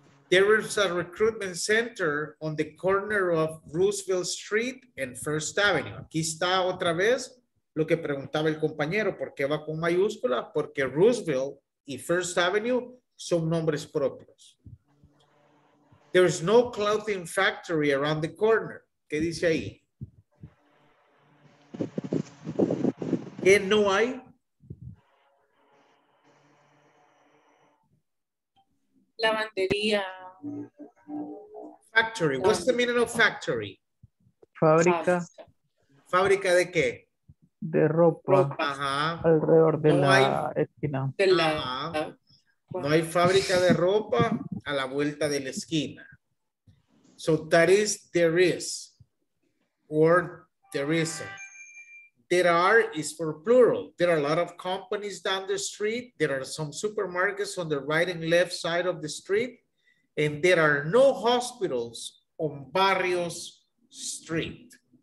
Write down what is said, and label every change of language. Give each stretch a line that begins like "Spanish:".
English: There is a recruitment center on the corner of Roosevelt Street and First Avenue.
Spanish: Aquí está otra vez lo que preguntaba el compañero. ¿Por qué va con mayúscula? Porque Roosevelt y First Avenue son nombres propios.
English: There is no clothing factory around the corner.
Spanish: ¿Qué dice ahí? ¿Qué no hay? Lavandería.
English: Factory. What's the meaning of factory?
Spanish: Fábrica. Fábrica de qué? De ropa. Ropa. Ajá. Alrededor de no la hay... esquina. De la... Ajá. No hay fábrica de ropa a la vuelta de la esquina.
English: So that is there is or there isn't. There are is for plural. There are a lot of companies down the street. There are some supermarkets on the right and left side of the street. And there are no hospitals on Barrios Street.